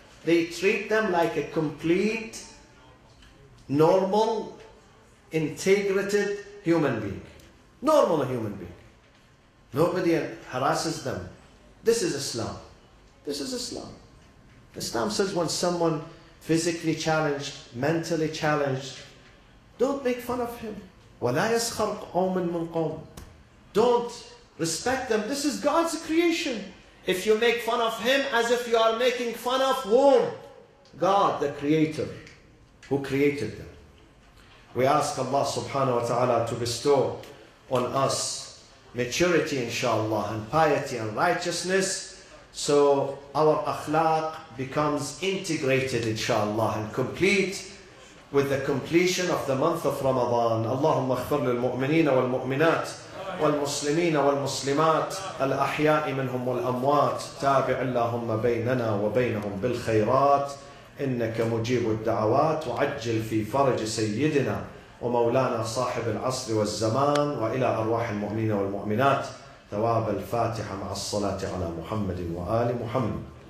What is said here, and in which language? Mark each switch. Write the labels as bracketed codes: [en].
[en] They treat them like a complete, normal, integrated human being. Normal human being. Nobody harasses them. This is Islam. Islam says when someone physically challenged, mentally challenged, don't make fun of him. [ar] وَلَا يَسْخَرْ قَوْمٍ مِنْ قَوْمٍ [en] Don't respect them. This is God's creation. If you make fun of him as if you are making fun of whom? God, the creator, who created them. We ask Allah subhanahu wa ta'ala to bestow on us maturity inshallah and piety and righteousness so our akhlaq becomes integrated inshallah and complete with the completion of the month of Ramadan. [ar] Allahumma ighfir lil mu'mineen wal mu'minat والمسلمين والمسلمات الأحياء منهم والأموات تابع اللهم بيننا وبينهم بالخيرات إنك مجيب الدعوات وعجل في فرج سيدنا ومولانا صاحب العصر والزمان وإلى أرواح المؤمنين والمؤمنات ثواب الفاتحة مع الصلاة على محمد وآل محمد